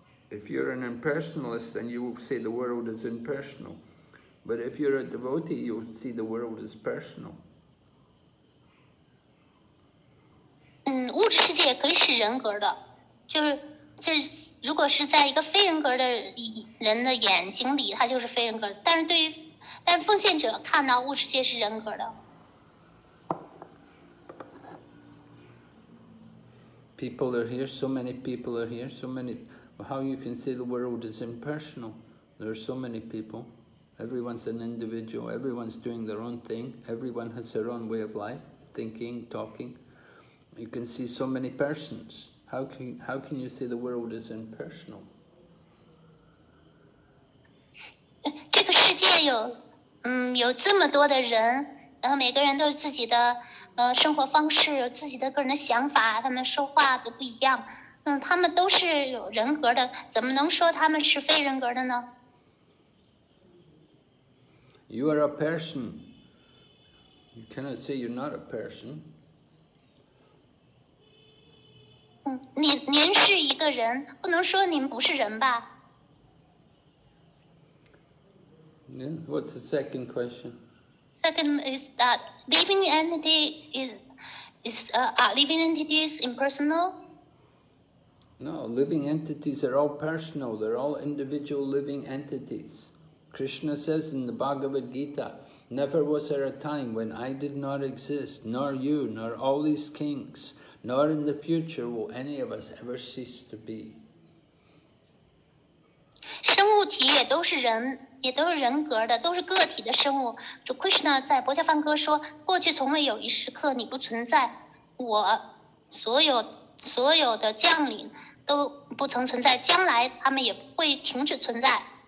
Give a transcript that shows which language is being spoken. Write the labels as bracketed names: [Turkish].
[English] If you're an impersonalist, then you will say the world is impersonal. But if you're a devotee, you will see the world as personal. [Chinese] 物质世界也可以是人格的，就是如果是在一个非人格的人的眼睛里，他就是非人格。但是对于奉献者看到物质世界是人格的。 [English] People are here. So many people are here. So many. How you can say the world is impersonal? There are so many people. Everyone's an individual. Everyone's doing their own thing. Everyone has their own way of life, thinking, talking. You can see so many persons. How can you say the world is impersonal? [Chinese] 这个世界有这么多的人，然后每个人都有自己的生活方式，有自己的个人的想法，他们说话都不一样。他们都是有人格的，怎么能说他们是非人格的呢？ [English] You are a person. You cannot say you're not a person. [Chinese] 您是一个人，不能说您不是人吧？ [English] Yeah, what's the second question? Second is that living entity living entity is impersonal? No, living entities are all personal. They're all individual living entities. Krishna says in the Bhagavad Gita, never was there a time when I did not exist, nor you, nor all these kings, nor in the future will any of us ever cease to be. [Chinese] 生物体也都是人，也都是人格的，都是个体的生物。主 Krishna 在《薄伽梵歌》说，过去从未有一时刻你不存在，我所有的降临都不曾存在，将来他们也不会停止存在。